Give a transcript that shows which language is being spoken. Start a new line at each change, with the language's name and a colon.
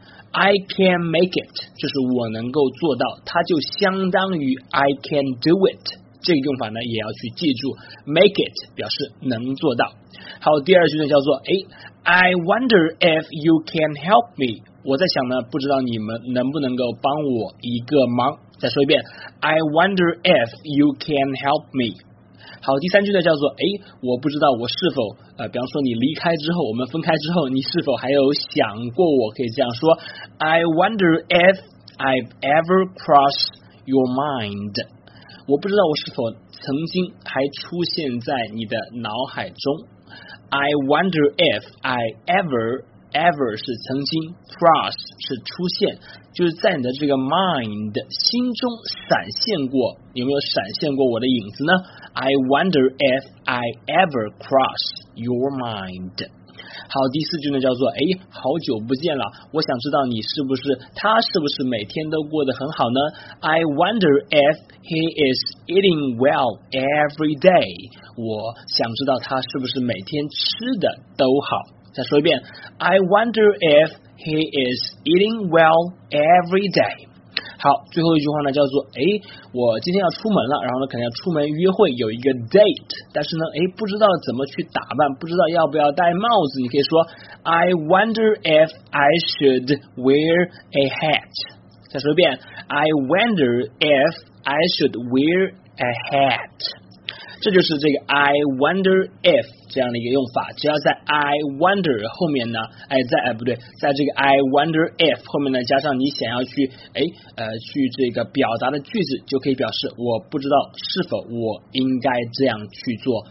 English: I can make it,
Chinese: 就是我能够做到，它就相当于
English: I can do it.
Chinese: 这个用法呢，也要去记住，
English: make it
Chinese: 表示能做到。好，第二句呢叫做，哎，
English: I wonder if you can help me. 我在想呢，不知道你们能不能够帮我一个忙。
Chinese: 再说一遍，
English: I wonder if you can help me。
Chinese: 好，第三句呢叫做，哎，我不知道我是否比方说你离开之后，我们分开之后，你是否还有想过我，可以这样说，
English: I wonder if I've ever crossed your mind。
Chinese: 我不知道我是否曾经还出现在你的脑海中。
English: I wonder if I ever
Chinese: 是曾经， cross 是出现，就是在你的这个 mind 心中闪现过，有没有闪现过我的影子呢？
English: I wonder if I ever cross your mind。
Chinese: 好，第四句呢叫做，哎，好久不见了，我想知道你是不是，他是不是每天都过得很好呢？
English: I wonder if he is eating well every day。
Chinese: 我想知道他是不是每天吃的都好。再说一遍，
English: I wonder if he is eating well every day。
Chinese: 好，最后一句话呢叫做，哎，我今天要出门了，然后呢可能要出门约会，有一个 date， 但是呢，哎，不知道怎么去打扮，不知道要不要戴帽子。你可以说，
English: I wonder if I should wear a hat。
Chinese: 再说一遍，
English: I wonder if I should wear a hat。
Chinese: 这就是这个
English: I wonder if
Chinese: 这样的一个用法，只要在
English: I wonder
Chinese: 后面呢，哎，在，哎，不对，在这个 I wonder if 后面呢加上你想要去，哎，去这个表达的句子，就可以表示我不知道是否我应该这样去做。